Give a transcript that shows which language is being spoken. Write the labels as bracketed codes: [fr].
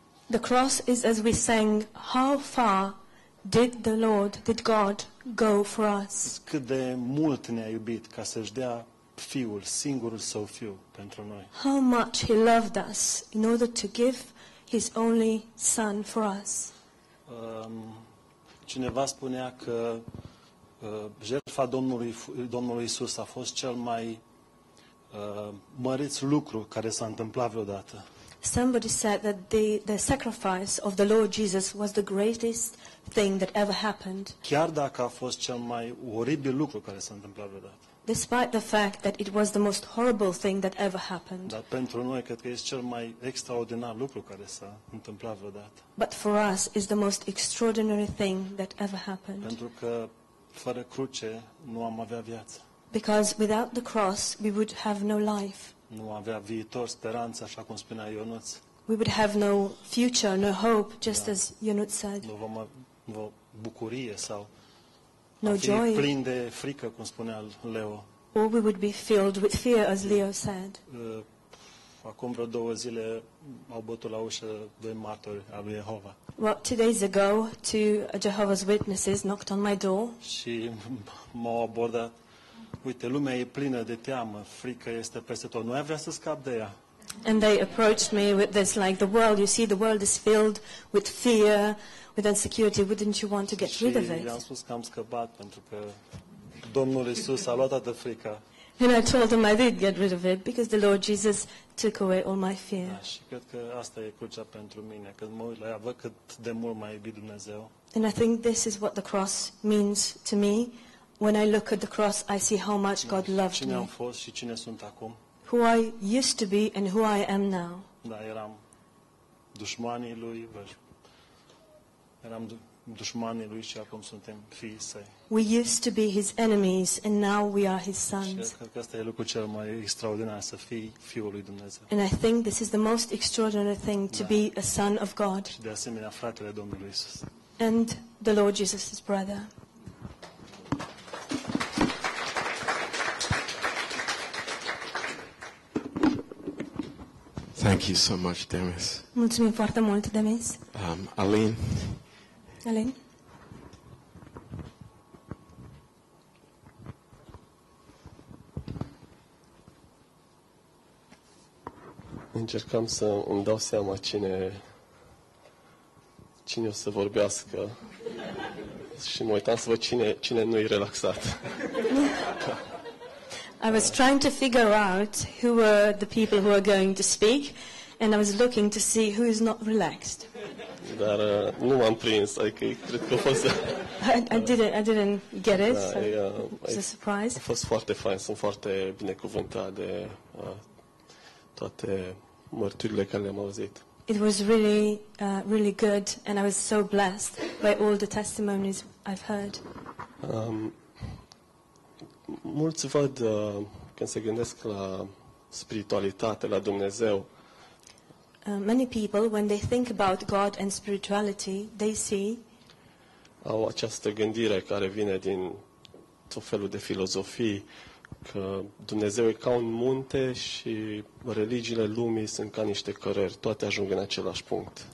[en] The cross is, as we sang, how far did the Lord, did God go for us? [ro] Cât de mult ne-a iubit ca să-și dea fiul, singurul său fiu pentru noi. [en] How much he loved us in order to give his only son for us. [ro] Cineva spunea că jertfa Domnului Iisus a fost cel mai măreț lucru care s-a întâmplat vreodată. [en] Somebody said that the sacrifice of the Lord Jesus was the greatest thing that ever happened. [ro] Chiar dacă a fost cel mai oribil lucru care s-a întâmplat vreodată. [en] Despite the fact that it was the most horrible thing that ever happened. [ro] Dar pentru noi cred că este cel mai extraordinar lucru care s-a întâmplat vreodată. [en] But for us is the most extraordinary thing that ever happened. [ro] Pentru că fără cruce nu am avea viață. [en] Because without the cross we would have no life. [ro] Nu avea viitor, speranță, așa cum spunea Ionuț. [en] We would have no future, no hope, just as Ionuț said. [ro] Nu vom avea bucurie sau [en] no joy. [ro] Plin de frică, cum spunea Leo. [en] Or we would be filled with fear, as Leo said. [ro] Acum vreo două zile au bătut la ușă doi martori al lui Jehova. [en] Well, 2 days ago, 2 Jehovah's Witnesses knocked on my door. [ro] Și m-au abordat. Uite, lumea e plină de teamă, frică este peste tot. Nu ai vrea să scap de ea. [en] And they approached me with this, like, the world, you see, the world is filled with fear, with insecurity. Wouldn't you want to get rid of it? [ro] Și i-am spus că am scăpat, pentru că Domnul Iisus a luat toată frica. [en] And I told him I did get rid of it because the Lord Jesus took away all my fear. [ro] Și cred că asta e crucea pentru mine, că mă uit la ea, văd cât de mult m-a iubit Dumnezeu. [en] And I think this is what the cross means to me. When I look at the cross, I see how much God loved [ro] cine [en] me. [ro] Cine am fost și cine sunt acum? [en] Who I used to be and who I am now. [ro] Da, eram dușmanii lui, eram dușmanii lui și acum suntem fiii săi. [en] We used to be his enemies and now we are his sons. [ro] Și cred că asta e lucrul cel mai extraordinar, să fii fiul lui Dumnezeu. [en] And I think this is the most extraordinary thing to be a son of God. [ro] Și de asemenea fratele Domnului Iisus. [en] And the Lord Jesus' brother. Thank you so much, Demis. [ro] Mulțumim foarte mult, Demis. Aline. Aline. Încercam să îmi dau seama cine o să vorbească și mă uitam să văd cine nu e relaxat. [en] I was trying to figure out who were the people who are going to speak, and I was looking to see who is not relaxed. [ro] Dar nu m-am prins, adică cred că a fost... [en] I didn't get it, it was a surprise. [ro] A fost foarte fain, sunt foarte binecuvântat de toate mărturile care le-am auzit. [en] It was really, really good, and I was so blessed by all the testimonies I've heard. [ro] Mulți văd când se gândesc la spiritualitate, la Dumnezeu. [en] Many people, when they think about God and spirituality, they see. [ro] Au această gândire care vine din tot felul de filozofii că Dumnezeu e ca un munte și religiile lumii sunt ca niște cărări, toate ajung în același punct.